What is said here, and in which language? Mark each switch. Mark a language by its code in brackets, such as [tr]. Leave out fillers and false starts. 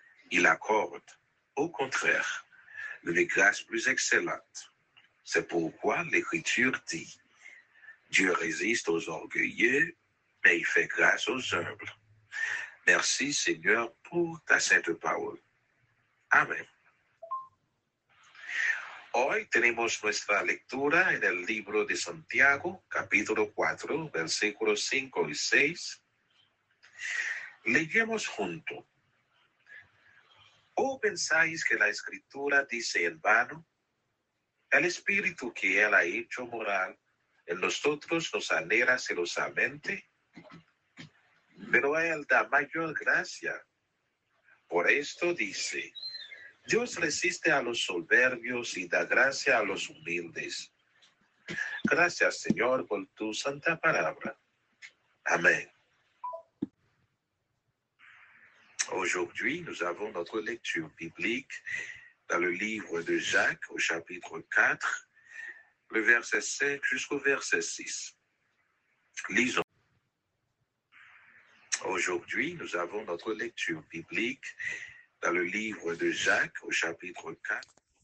[fr] Il accorde, au contraire, les grâces plus excellentes. C'est pourquoi l'Écriture dit « Dieu résiste aux orgueilleux, mais il fait grâce aux humbles. » Merci Seigneur pour ta sainte parole. Amen. [es] Hoy tenemos nuestra lectura en el libro de Santiago, capítulo 4, versículos 5 y 6. Leyemos junto. ¿O pensáis que la Escritura dice en vano? El Espíritu que Él ha hecho morar en nosotros nos anhela celosamente, pero Él da mayor gracia. Por esto dice... Dios resiste a los soberbios y da gracia a los humildes. Gracias, Señor, por tu santa palabra. Amén. [fr] Aujourd'hui, nous avons notre lecture biblique dans le livre de Jacques, au chapitre 4, le verset 5 jusqu'au verset 6. Lisons. Aujourd'hui, nous avons notre lecture biblique dans le livre de Jacques, au chapitre 4.